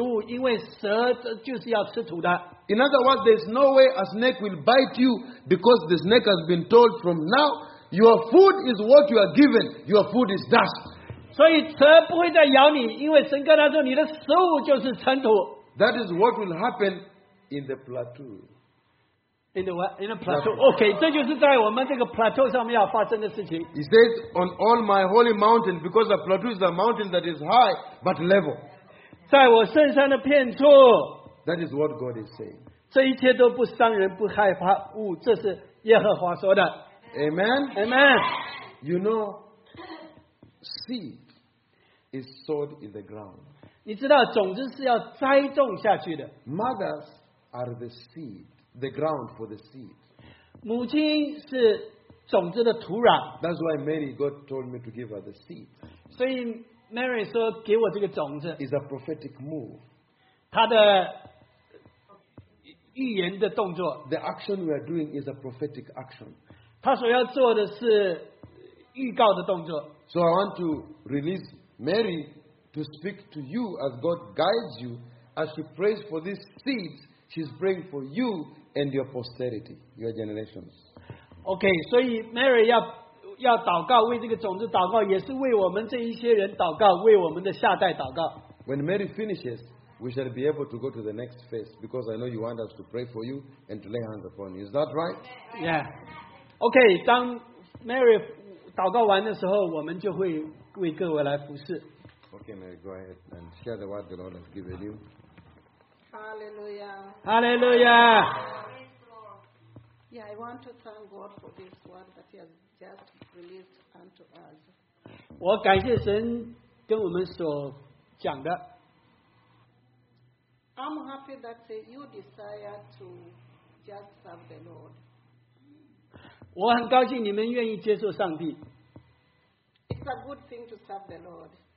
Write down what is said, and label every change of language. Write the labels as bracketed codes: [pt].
[zh] 尘土必作蛇的食物，因为蛇就是要吃土的。 [en] In other words, there is no way a snake will bite you because the snake has been told from now, your food is what you are given. Your food is dust. [zh] 所以蛇不会再咬你，因为神跟他说你的食物就是尘土。 [en] That is what will happen in the plateau. In the what? In a plateau. [zh] Okay, 这就是在我们这个 plateau 上面要发生的事情。 [en] He says, on all my holy mountain, because the plateau is a mountain that is high but level. [zh] 在我圣山的片处。 [en] That is what God is saying. [zh] 这一切都不伤人，不害怕物， 这是耶和华说的。 [en] Amen. Amen. You know, seed is sowed in the ground. [zh] 你知道种子是要栽种下去的。 [en] Mothers are the seed. The ground for the seed. [zh] 母亲是种子的土壤。 [en] That's why Mary, God told me to give her the seed. [zh] 所以Mary说给我这个种子。 [en] It's a prophetic move. [zh] 她的预言的动作。 [en] The action we are doing is a prophetic action. [zh] 她所要做的是预告的动作。 [en] So I want to release Mary to speak to you as God guides you. As she prays for these seeds, she's praying for you and your posterity, your generations. Okay, so [zh] Mary 要祷告，为这个种子祷告，也是为我们这一些人祷告，为我们的下代祷告。 [en] When Mary finishes, we shall be able to go to the next phase because I know you want us to pray for you and to lay hands upon you. Is that right? [zh] Yeah. Okay, 当 Mary 祷告完的时候，我们就会为各位来服侍。 [en] Okay, Mary, go ahead and share the word the Lord has given you. Hallelujah. Hallelujah. Yeah, I want to thank God for this word that He has just released unto us. [zh] 我感谢神跟我们所讲的。 [en] I'm happy that you desire to just serve the Lord. [zh] 我很高兴你们愿意接受上帝。 [en] It's a good thing to serve the Lord.